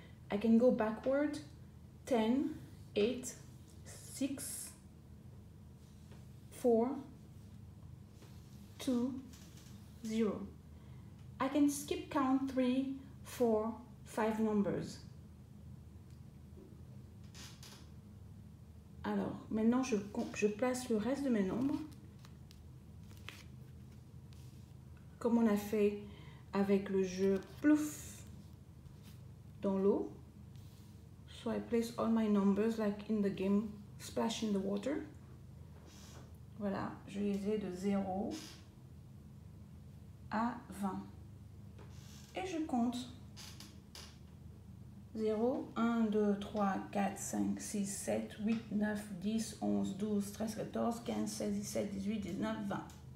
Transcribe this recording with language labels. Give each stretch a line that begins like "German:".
English: I can go backward, 10, 8, 6, 4, 2, 0. I can skip count 3, 4, 5 numbers.
French: Alors, maintenant, je place le reste de mes nombres comme on a fait avec le jeu Plouf dans l'eau.
English: So I place all my numbers like in the game Splash in the Water.
French: Voilà, je les ai de 0 à 20. Et je compte 0, 1, 2, 3, 4, 5, 6, 7, 8, 9, 10, 11, 12, 13, 14, 15, 16, 17, 18, 19, 20.